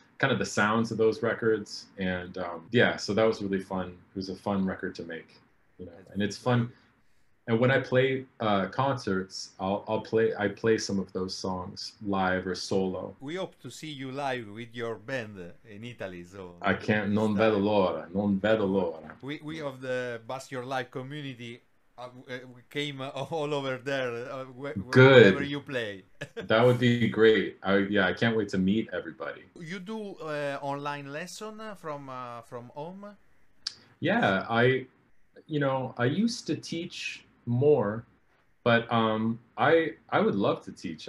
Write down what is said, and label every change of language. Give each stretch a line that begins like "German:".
English: kind of the sounds of those records. And yeah, so that was really fun. It was a fun record to make, you know, and it's fun. And when I play concerts, I play some of those songs live or solo. We hope to see you live with your band in Italy. So I can't,
Italian: non vedo l'ora, non vedo l'ora.
English: We of the Bass Your Life community we came all over there wherever you play. That would be great. I can't wait to meet everybody. You do online lesson from home? Yeah, I used to teach more, but I would love to teach.